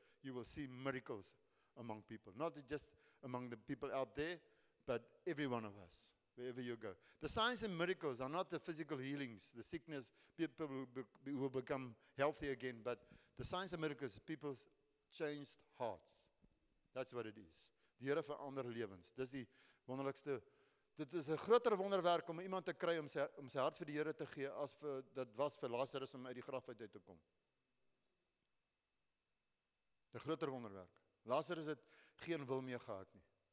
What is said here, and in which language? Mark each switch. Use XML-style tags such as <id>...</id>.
<en>You will see miracles among people. Not just among the people out there, but every one of us, wherever you go. The signs and miracles are not the physical healings, the sickness, people will become healthy again, but the signs and miracles, people's changed hearts. That's what it is.</en> <af>Die Here verander lewens. Dis die wonderlikste. Dit is 'n groter wonderwerk om iemand te kry om sy hart vir die Here te gee as vir dit was vir Lazarus om uit die graf uit te kom. 'N groter wonderwerk. Lazarus het geen wil meer gehad nie.</af>